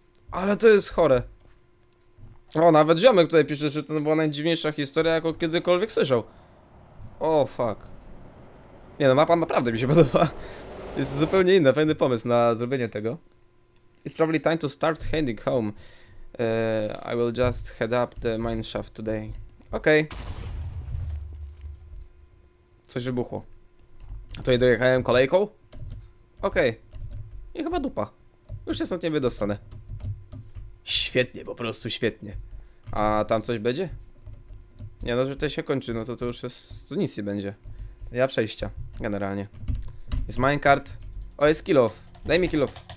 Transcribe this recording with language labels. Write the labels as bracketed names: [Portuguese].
[Polish] Ale to jest chore. O, nawet ziomek tutaj pisze, że to była najdziwniejsza historia, jaką kiedykolwiek słyszał. O, fuck. Nie no, mapa naprawdę mi się podoba. Jest zupełnie inna, fajny pomysł na zrobienie tego. [English] It's probably time to start heading home. I will just head up the mineshaft today. Okej. Okay. [Polish] Coś wybuchło. Tutaj dojechałem kolejką? Okej. Okay. I chyba dupa. Już się stąd nie wydostanę. Świetnie, po prostu świetnie. A tam coś będzie? Nie no, że to się kończy, no to to już jest, to nic nie będzie. Ja przejścia, generalnie. Jest minecart. O, jest kill off. Daj mi kill off.